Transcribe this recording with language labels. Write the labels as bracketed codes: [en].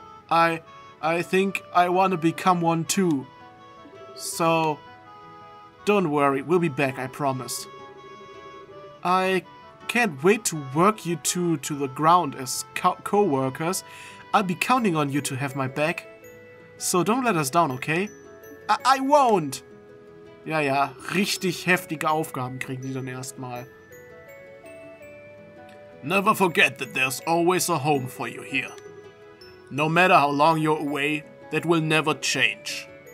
[en] I think I want to become one too. So, don't worry, we'll be back, I promise. I can't wait to work you two to the ground as co-workers. I'll be counting on you to have my back. So don't let us down, okay? I won't. [de] Ja, ja, richtig heftige Aufgaben kriegen die dann erstmal. [en] Never forget that there's always a home for you here. No matter how long you're away, that will never change.